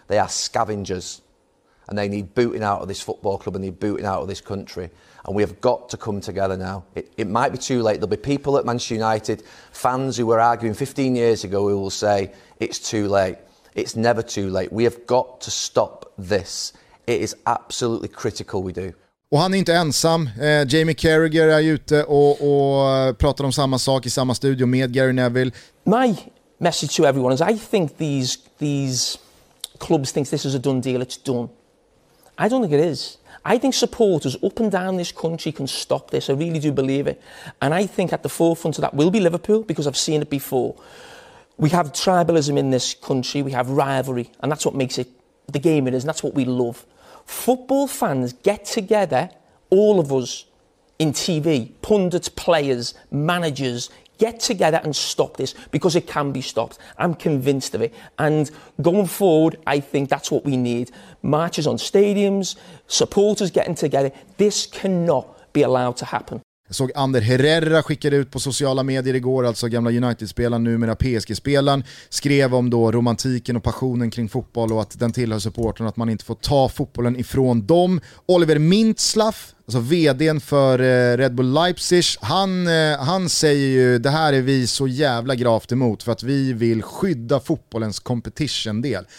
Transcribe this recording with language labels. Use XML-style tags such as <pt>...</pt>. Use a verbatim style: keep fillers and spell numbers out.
<en>They are scavengers and they need booting out of this football club and they need booting out of this country. And we have got to come together now. It, it might be too late. There'll be people at Manchester United, fans who were arguing fifteen years ago who will say, it's too late. It's never too late. We have got to stop this. It is absolutely critical we do.</en> <sv>Och han är inte ensam. Eh, Jamie Carragher är ute och, och pratar om samma sak I samma studio med Gary Neville.</sv> <en>My message to everyone is I think these these clubs think this is a done deal. It's done. I don't think it is. I think supporters up and down this country can stop this. I really do believe it. And I think at the forefront of that will be Liverpool because I've seen it before. We have tribalism in this country. We have rivalry. And that's what makes it the game it is. And that's what we love. Football fans get together, all of us in T V, pundits, players, managers, get together and stop this because it can be stopped. I'm convinced of it. And going forward, I think that's what we need. Marches on stadiums, supporters getting together. This cannot be allowed to happen.</en> <sv>Jag såg Ander Herrera skickade ut på sociala medier igår, alltså gamla United-spelaren, numera P S G-spelaren, skrev om då romantiken och passionen kring fotboll och att den tillhör supporten, att man inte får ta fotbollen ifrån dem. Oliver Mintzlaff, alltså vdn för Red Bull Leipzig, han, han säger ju det här är vi så jävla gravt emot för att vi vill skydda fotbollens competition-del.</sv>